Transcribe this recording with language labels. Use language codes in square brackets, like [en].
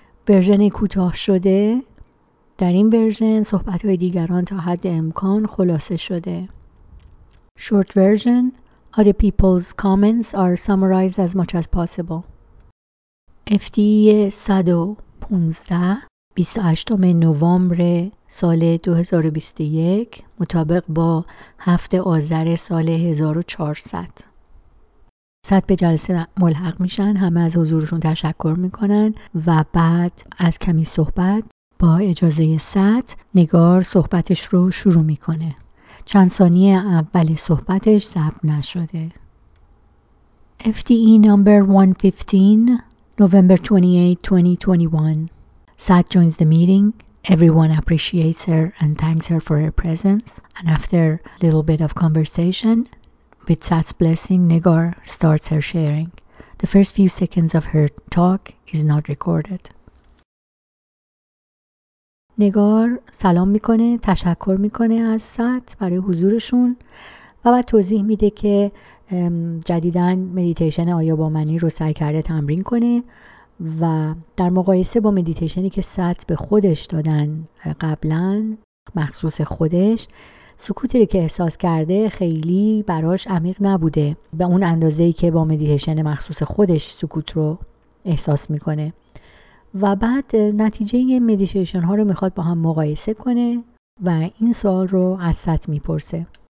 [fa] ورژن کوتاه شده در این ورژن صحبت‌های دیگران تا حد امکان خلاصه شده. [en] Short version: Other people's comments are summarized as much as possible. [fa] FTE 115 28 نوامبر سال 2021 مطابق با 7 آذر سال 1400. 100 به جلسه ملحق میشن، همه از حضورشون تشکر میکنن و بعد از کمی صحبت با اجازه 100 نگار صحبتش رو شروع میکنه. چند ثانیه اول صحبتش ثبت نشده. [en] FTE number 115, November 28, 2021. Sat joins the meeting. Everyone appreciates her and thanks her for her presence. And after a little bit of conversation, with Sat's blessing, Negar starts her sharing. The first few seconds of her talk is not recorded. [fa] نگار سلام میکنه، تشکر میکنه از سات برای حضورشون و بعد توضیح میده که جدیداً مدیتیشن آیا با منی رو سعی کرده تمرین کنه و در مقایسه با مدیتیشنی که سات به خودش دادن قبلاً مخصوص خودش، سکوتی رو که احساس کرده خیلی براش عمیق نبوده به اون اندازه‌ای که با مدیتیشن مخصوص خودش سکوت رو احساس میکنه و بعد نتیجه مدیتیشن ها رو میخواد با هم مقایسه کنه و این سوال رو از سات میپرسه.